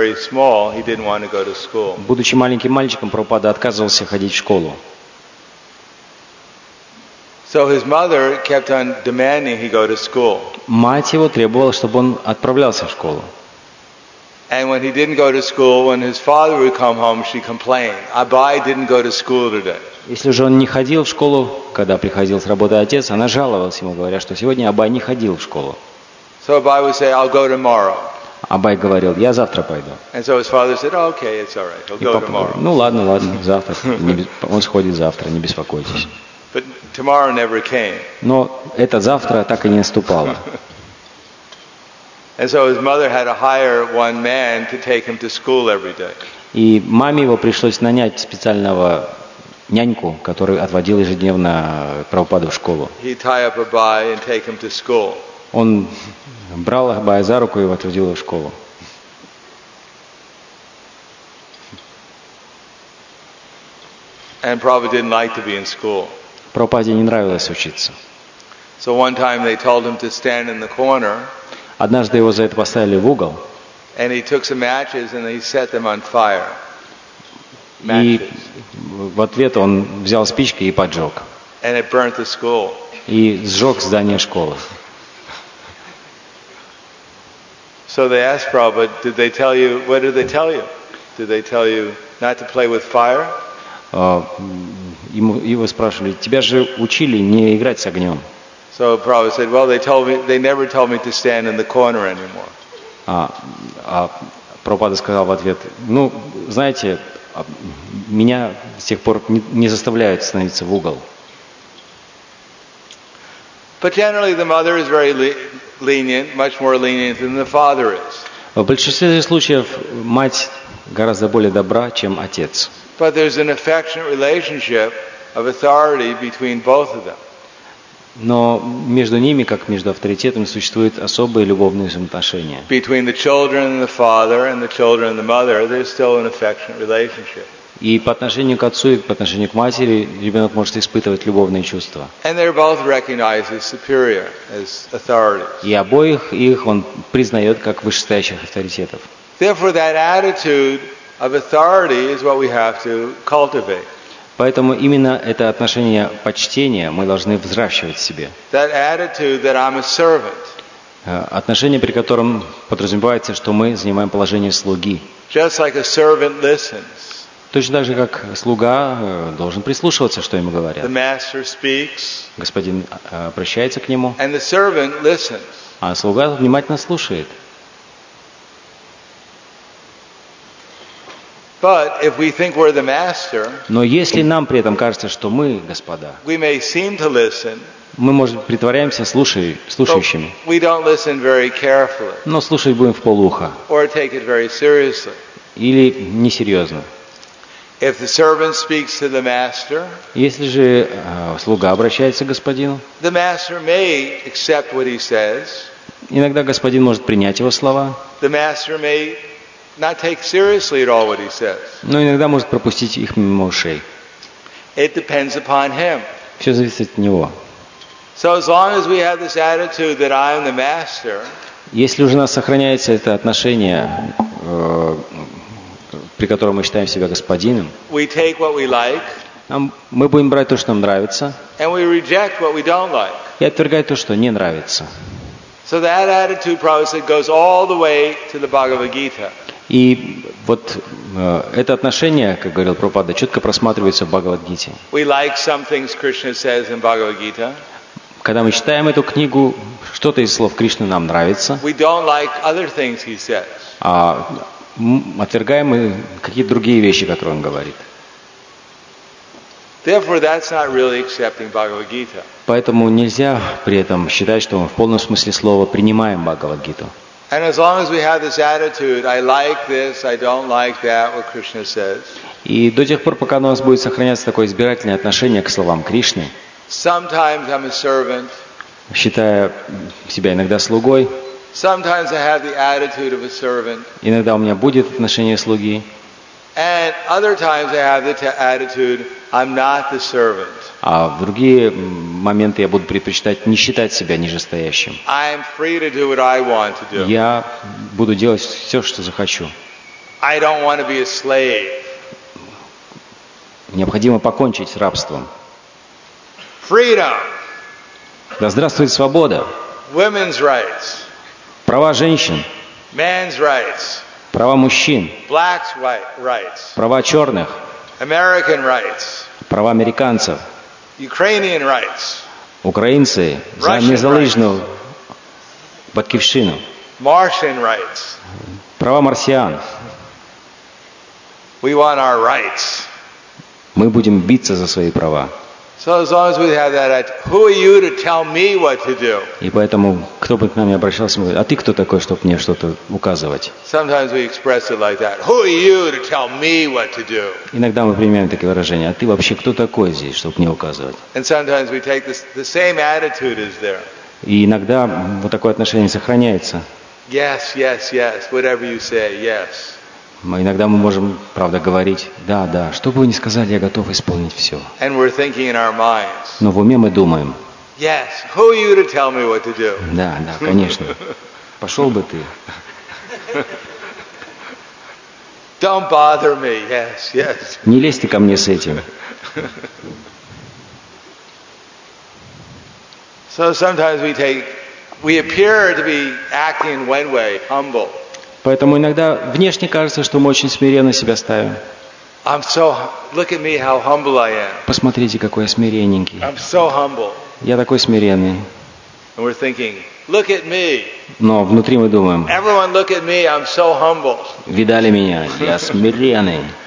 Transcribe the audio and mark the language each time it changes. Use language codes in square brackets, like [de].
[ru] Будучи маленьким мальчиком, Прабхупада отказывался ходить в школу. Мать его требовала, чтобы он отправлялся в школу. [en] And when he didn't go to school, when his father would come home, she complained. Abai didn't go to school today. [ru] Если же он не ходил в школу, когда приходил с работы отец, она жаловалась ему, говоря, что сегодня Абай не ходил в школу. [en] So Abai would say, "I'll go tomorrow." [ru] Абай говорил, "Я завтра пойду." [en] And so his father said, oh, "Okay, it's all right. He'll go tomorrow." [ru] Ну ладно, ладно, завтра. Он сходит завтра, не беспокойтесь. [en] But tomorrow never came. [ru] Но это завтра так и не наступало. [en] And so his mother had to hire one man to take him to school every day. [ru] И маме его пришлось нанять специального няньку, который отводил ежедневно Прабхупаду в школу. [en] He tied up Abai and take him to school. [ru] Он брал Абай за руку и отводил его в школу. [en] And Prabhupada didn't like to be in school. [ru] Прабхупаде не нравилось учиться. [en] So one time they told him to stand in the corner. [ru] Однажды его за это поставили в угол. [en] And he took some matches and he set them on fire. Matches. [ru] И в ответ он взял спички и поджег. [en] And it burnt the school. [ru] И сжег здание школы. [en] So they asked Prabhupada, did they tell you, what did they tell you? Did they tell you not to play with fire? [ru] Его спрашивали, тебя же учили не играть с огнем. [en] So Prabhupada said, well, they never told me to stand in the corner anymore. [ru] Прабхупада сказал в ответ, ну, знаете, меня с тех пор не заставляют становиться в угол. [en] But generally the mother is very lenient, much more lenient than the father is. [ru] В большинстве случаев мать гораздо более добра, чем отец. [en] But there's an affectionate relationship of authority between both of them. [ru] Но между ними, как между авторитетами, существуют особые любовные взаимоотношения. [en] Between the children and the father and the children and the mother, there's still an affectionate relationship. [ru] И по отношению к отцу и по отношению к матери ребенок может испытывать любовные чувства. [en] And they're both recognized as superior, as authorities. [ru] И обоих их он признает как вышестоящих авторитетов. [en] Therefore, that attitude of authority is what we have to cultivate. [ru] Поэтому именно это отношение почтения мы должны взращивать в себе. [en] That attitude that I'm a servant. [ru] Отношение, при котором подразумевается, что мы занимаем положение слуги. [en] Just like a servant listens. [ru] Точно так же, как слуга должен прислушиваться, что ему говорят. [en] The master speaks. [ru] Господин обращается к нему. [en] And the servant listens. [ru] А слуга внимательно слушает. [en] But if we think we're the master, [ru] но если нам при этом кажется, что мы господа, [en] we may seem to listen, [ru] мы, может, притворяемся слушающими, [en] but we don't listen very carefully, [ru] но слушать будем в полуха, [en] or take it very seriously. [ru] Или несерьезно. [en] If the servant speaks to the master, [ru] если же слуга обращается к господину, [en] the master may accept what he says, [ru] иногда господин может принять его слова, [en] the master may not take seriously at all what he says. [ru] Но иногда может пропустить их мимо ушей. [en] It depends upon him. [ru] Все зависит от него. [en] So as long as we have this attitude that I am the master, [ru] если уже у нас сохраняется это отношение, при котором мы считаем себя господином, [en] we take what we like, [ru] мы будем брать то, что нам нравится, [en] and we reject what we don't like, [ru] и отвергать то, что не нравится. [en] So that attitude, Prabhupada said, goes all the way to the Bhagavad Gita. [ru] И вот это отношение, как говорил Прабхупада, четко просматривается в Бхагавад-гите. [en] We like some things Krishna says in Bhagavad-gita. [ru] Когда мы читаем эту книгу, что-то из слов Кришны нам нравится. [en] We don't like other things he says. [ru] А отвергаем мы какие-то другие вещи, которые он говорит. [en] Therefore, that's not really accepting Bhagavad-gita. [ru] Поэтому нельзя при этом считать, что мы в полном смысле слова принимаем Бхагавад-гиту. [en] And as long as we have this attitude, I like this, I don't like that, what Krishna says. [ru] И до тех пор, пока у нас будет сохраняться такое избирательное отношение к словам Кришны. [en] Sometimes I'm a servant. [ru] Считая себя иногда слугой. [en] Sometimes I have the attitude of a servant. [ru] Иногда у меня будет отношение слуги. [en] And other times I have the attitude I'm not the servant. [ru] А в другие моменты я буду предпочитать не считать себя нижестоящим. [en] I'm free to do what I want to do. [ru] Я буду делать все, что захочу. [en] I don't want to be a slave. [ru] Необходимо покончить с рабством. [en] Freedom. [ru] Да здравствует свобода. [en] Women's rights. [ru] Права женщин. [en] Man's rights. [ru] Права мужчин. [en] Black's rights. [ru] Права черных. [en] American rights. [ru] Права американцев. [en] Ukrainian rights. [ru] Украинцы за [uk] незалежную батьковщину. [en] Martian rights. [ru] Права марсиан. [en] We want our rights. [ru] Мы будем биться за свои права. [en] So as long as we have that, who are you to tell me what to do? [ru] И поэтому, кто бы к нам ни обращался, мы говорим: а ты кто такой, чтобы мне что-то указывать? [en] Sometimes we express it like that. Who are you to tell me what to do? [ru] Иногда мы применяем такие выражения: а ты вообще кто такой здесь, чтобы мне указывать? [en] And sometimes we take the same attitude as there. [ru] И иногда вот такое отношение сохраняется. [en] Yes, yes, yes. Whatever you say, yes. [ru] Мы иногда мы можем, правда, говорить: да, да, что бы вы ни сказали, я готов исполнить все. [en] And we're thinking in our minds. [ru] Но в уме мы думаем: [en] yes. Who are you to tell me what to do? [ru] Да, да, конечно. Пошел бы ты. [en] Don't bother me. Yes, yes. [ru] Не лезь ты ко мне с этим. [en] So sometimes we appear to be acting in one way, humble. [ru] Поэтому иногда внешне кажется, что мы очень смиренно себя ставим. [en] I'm so, look at me, how humble I am. [ru] Посмотрите, какой я смиренненький. [en] I'm so humble. [ru] Я такой смиренный. [en] And we're thinking, look at me. [ru] Но внутри мы думаем: [en] everyone look at me, I'm so humble. [ru] Видали меня? Я смиренный.